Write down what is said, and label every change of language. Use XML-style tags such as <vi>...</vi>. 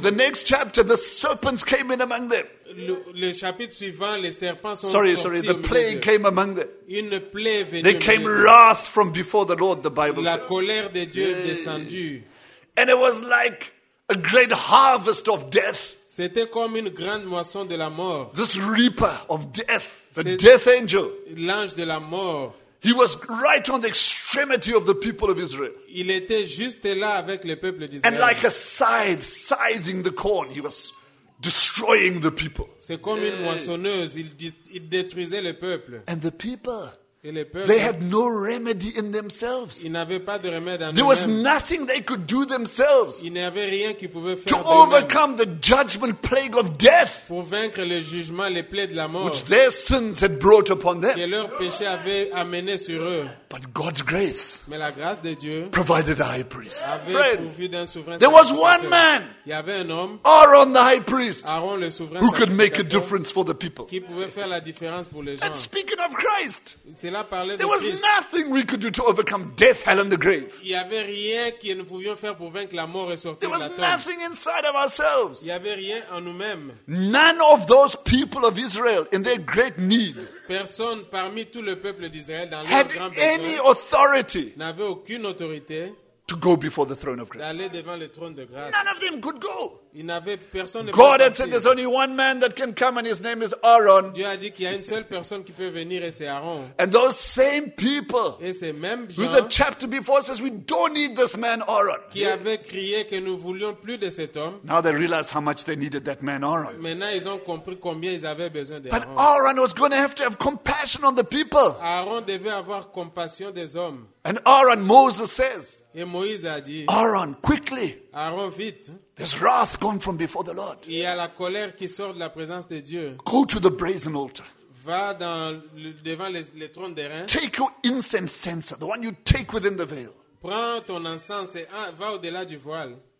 <en>The next chapter, the serpents came in among them.</en> <fr>Le chapitre suivant, les serpents sont</fr> <en>sorry,</en> <fr>sortis</fr> <en>sorry, the plague</en> <fr>milieu.</fr> <en>Came among them.</en> <fr>Une plaie venue.</fr> <en>They came wrath from before the Lord. The Bible</en> <fr>la</fr> <en>says.</en> <fr>La colère de Dieu est descendue.</fr> <en>And it was like a great harvest of death.</en> <fr>C'était comme une grande moisson de la mort.</fr> <en>This reaper of death, the c'est death angel.</en> <fr>L'ange de la mort.</fr> <en>He was right on the extremity of the people of Israel.</en> <fr>Il était juste là avec le peuple d'Israël.</fr> <en>And like a scythe, scything the corn, he was destroying the people.</en> <fr>C'est comme une moissonneuse, il détruisait le peuple.</fr> <en>And the people.</en> <fr>Et les peuples,</fr> <en>they had no remedy in themselves.</en> <fr>Ils n'avaient pas de remède en</fr> <en>there was nothing they could do themselves.</en> <fr>Ils n'avaient rien qu'ils pouvaient faire</fr> <en>to overcome the judgment plague of death.</en> <fr>Pour vaincre le jugement, les plaies de la mort.</fr> <en>Which their sins had brought upon them.</en> <fr>Que leur péché avait amené sur eux.</fr> <en>But God's grace.</en> <fr>Mais la grâce de Dieu.</fr> <en>Provided a high priest.</en> <fr>Avait</fr> <en>friends,</en> <fr>pourvu d'un souverain.</fr> <en>There was one man.</en> <fr>Il y avait un homme.</fr> <en>Aaron the high priest.</en> <fr>Aaron le souverain.</fr> <en>Who could make a difference for the people.</en> <fr>Qui pouvait faire la différence pour les gens.</fr> <en>And speaking of Christ. There was nothing we could do to overcome death, hell, and the grave.</en> <fr>Il y avait rien que nous pouvions faire pour vaincre la mort et sortir de la tombe.</fr> <en>There was nothing inside of ourselves.</en> <fr>Il y avait rien en nous-mêmes.</fr> <en>None of those people of Israel, in their great need,</en> <fr>personne parmi tout le peuple d'Israël dans leur</fr> <en>had</en> <fr>grand</fr> <en>any authority</en> <fr>n'avait aucune autorité</fr> <en>to go before the throne of grace.</en> <fr>D'aller devant le trône de grâce.</fr> <en>None of them could go.</en> <fr>Il n'avait personne.</fr> <en>God had said there's only one man that can come, and his name is Aaron.</en> <fr>Dieu a dit qu'il y a une seule personne qui peut venir et c'est Aaron.</fr> <en>And those same people.</en> <fr>Et ces mêmes gens.</fr> <en>Who the chapter before says we don't need this man Aaron.</en> <fr>Qui avait crié que nous voulions plus de cet homme.</fr> <en>Now they realize how much they needed that man Aaron.</en> <fr>Maintenant ils ont compris combien ils avaient besoin d'Aaron.</fr> <en>But Aaron was going to have compassion on the people.</en> <fr>Aaron devait avoir compassion des hommes.</fr> <en>And Aaron, Moses says.</en> <fr>Et Moïse a dit.</fr> <en>Aaron, quickly.</en> <fr>Aaron, vite.</fr> <en>There's wrath gone from before the Lord.</en> <fr>Il y a la colère qui sort de la présence de Dieu.</fr> <en>Go to the brazen altar.</en> <fr>Va dans devant le trône des reins.</fr> <en>Take your incense censer, the one you take within the veil.</en> <fr>Prends ton encens et va au-delà du voile.</fr>